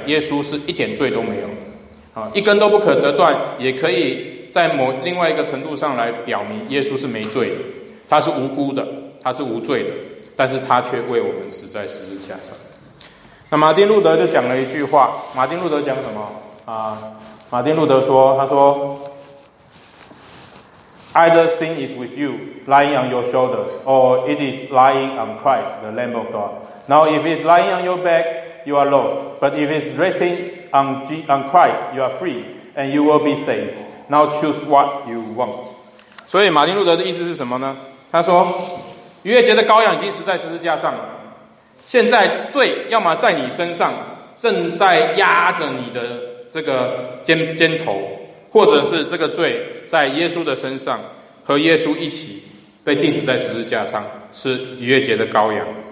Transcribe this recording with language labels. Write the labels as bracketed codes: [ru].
[zh] 耶稣是一点罪都没有，一根都不可折断，也可以在某另外一个程度上来表明耶稣是没罪的，他是无辜的，他是无罪的，但是他却为我们死在十字架上。那马丁路德就讲了一句话，马丁路德讲什么啊？马丁路德说，他说 [en] Either sin is with you, lying on your shoulders, or it is lying on Christ, the Lamb of God. Now, if it is lying on your back, you are lost. But if it is resting on Christ, you are free, and you will be saved. Now choose what you want. [zh] 所以马丁路德的意思是什么呢？他说，逾越节的羔羊已经死在十字架上了，现在罪要么在你身上，正在压着你的这个 肩头，或者是这个罪在耶稣的身上，和耶稣一起被钉死在十字架上，是逾越节的羔羊。